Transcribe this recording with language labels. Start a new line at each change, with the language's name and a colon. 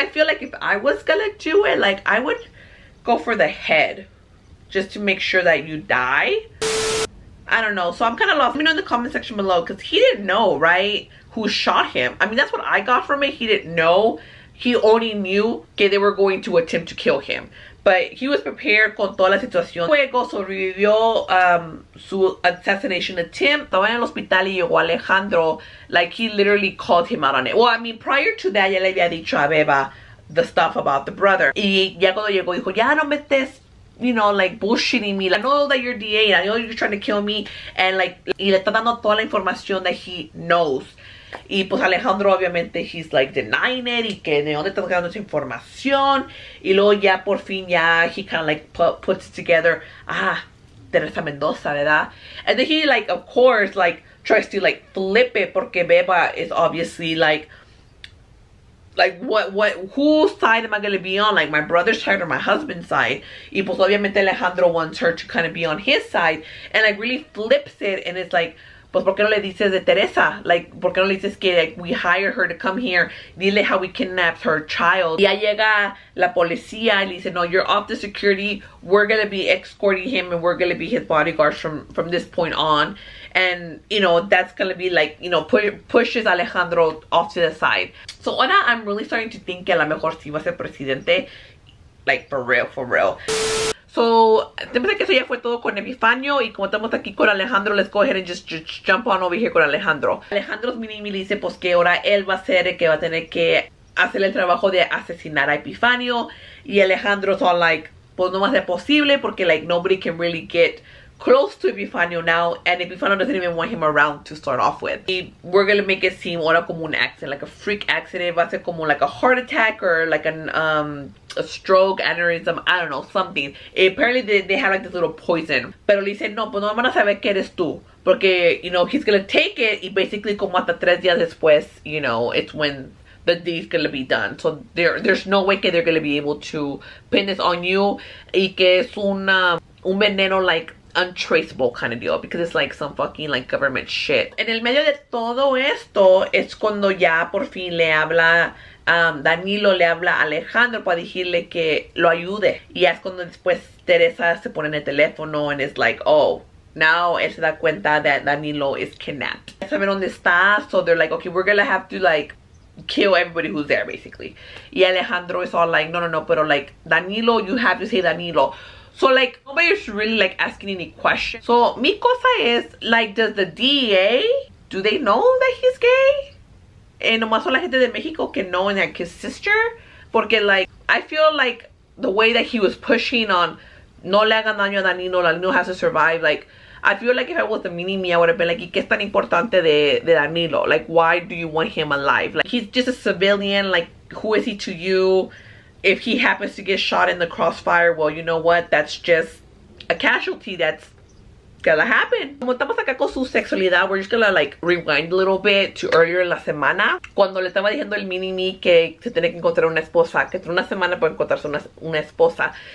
English: I feel like if I was going to do it, like, I would go for the head. Just to make sure that you die. I don't know. So I'm kind of lost. Let me know in the comment section below. Because he didn't know, right? Who shot him. I mean, that's what I got from it. He didn't know. He only knew. Okay, they were going to attempt to kill him. But he was prepared
Spanish: con toda la situación. Luego sobrevivió su
English: assassination attempt.
Spanish: Estaba en el hospital y llegó Alejandro.
English: Like, he literally called him out on it. Well, I mean, prior to that,
Spanish: ya le había dicho a
English: Beba the stuff about the brother.
Spanish: Y ya cuando llegó, dijo, ya no metes,
English: you know, like, bullshitting me. Like, I know that you're DA. I know you're trying to kill me.
Spanish: And, like, y le está dando toda la información
English: that he knows.
Spanish: Y, pues, Alejandro, obviamente,
English: he's, like, denying it.
Spanish: Y que, ¿de dónde está sacando esa información? Y luego, ya, por fin, ya,
English: he kind of, like, puts it together.
Spanish: Ah, Teresa Mendoza, ¿verdad?
English: And then he, like, of course, like, tries to, like, flip it. Porque Beba is obviously, like, what, whose side am I going to be on? Like, my brother's side or my husband's side?
Spanish: Y pues obviamente
English: Alejandro wants her to kind of be on his side. And, like, really flips it.
Spanish: And it's like, pues, ¿por qué no le dices de Teresa?
English: Like,
Spanish: ¿por qué no le dices que,
English: like, we hire her to come here?
Spanish: Dile
English: how we kidnapped her child.
Spanish: Y ya llega la policía y le dice, no,
English: you're off the security. We're going to be escorting him and we're going to be his bodyguards from this point on. And, you know, that's going to be, like, you know, pushes Alejandro off to the side.
Spanish: So, ahora
English: I'm really starting to think
Spanish: que a lo mejor sí va a ser presidente.
English: Like, for real.
Spanish: So, después de que eso ya fue todo con Epifanio. Y como estamos aquí con Alejandro,
English: let's go ahead and just jump on over here
Spanish: con Alejandro. Alejandro's mini-me dice, pues, que ahora él va a ser el que va a tener que hacer el trabajo de asesinar a Epifanio.
English: Y Alejandro's all like,
Spanish: pues, no va a ser posible porque,
English: like, nobody can really get close to Epifanio now, and Epifanio doesn't even want him around to start off with. Y we're gonna make it seem
Spanish: ahora como un
English: accident, like a freak accident.
Spanish: Va a ser como
English: like a heart attack or like a stroke, aneurysm, I don't know, something. Y apparently they have like this little poison.
Spanish: Pero le dice, no, pues no van a saber que eres tú.
English: Porque, you know, he's gonna take it, y basically
Spanish: como hasta tres días después,
English: you know, it's when the deed's gonna be done. So there's no way que they're gonna be able to pin this on you.
Spanish: Y que es un veneno,
English: like, untraceable kind of deal, because it's like some fucking like government shit.
Spanish: En el medio de todo esto es cuando ya por fin le habla Danilo, le habla Alejandro para decirle que lo ayude. Y es cuando después Teresa se pone en el teléfono and it's like, oh, now él se da cuenta
English: that Danilo is kidnapped.
Spanish: Ya saben dónde está,
English: so they're like, okay, we're gonna have to like kill everybody who's there basically. Y Alejandro is all like, no, pero like Danilo, you have to say Danilo. So, like, nobody's really, like, asking any questions. So,
Spanish: mi cosa es,
English: like, does the DEA, do they know that he's gay? And
Spanish: nomás son la gente de Mexico que no,
English: and, like, his sister? Porque, like, I feel like the way that he was pushing on,
Spanish: no le hagan daño a Danilo,
English: Danilo has to survive, like, I feel like if I was a mini me, I would have been like,
Spanish: ¿qué es tan importante de Danilo?
English: Like, why do you want him alive? Like, he's just a civilian. Like, who is he to you? If he happens to get shot in the crossfire, well, you know what? That's just a casualty that's gonna happen.
Spanish: Como estamos acá con su sexualidad,
English: we're just gonna like rewind a little bit to earlier in
Spanish: la semana. Cuando le estaba diciendo el mini me que se tiene que encontrar una esposa, que tiene una semana para encontrarse una esposa.